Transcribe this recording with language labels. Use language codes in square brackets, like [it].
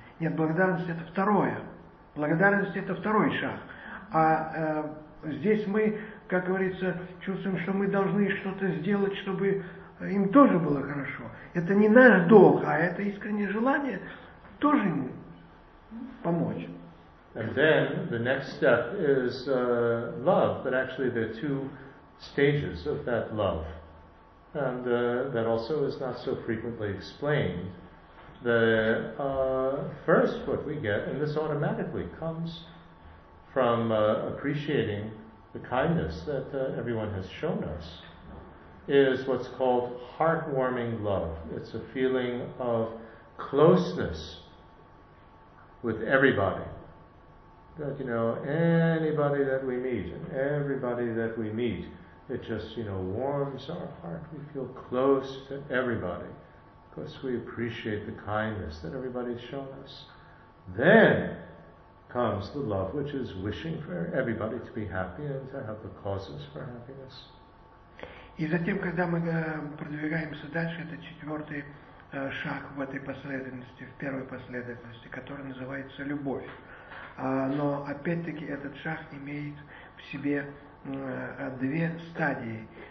[ru] Нет, благодарность – это второе. Благодарность – это второй шаг. А здесь мы, как говорится, чувствуем, что мы должны что-то сделать, чтобы им тоже было хорошо. Это не наш долг, а это искреннее желание тоже им помочь. [en] And then the next step is love, but actually there are two stages of that love. And that also is not so frequently explained. The first, what we get, and this automatically comes from appreciating the kindness that everyone has shown us, is what's called heartwarming love. It's a feeling of closeness with everybody. That, you know, anybody that we meet, and everybody that we meet, it just, you know, warms our heart. We feel close to everybody because we appreciate the kindness that everybody's shown us. Then comes the love, which is wishing for everybody to be happy and to have the causes for happiness. [ru] И затем, когда мы продвигаемся дальше, это четвертый шаг в этой последовательности, в первой последовательности, которая называется любовь. Но опять-таки этот шаг имеет в себе две стадии.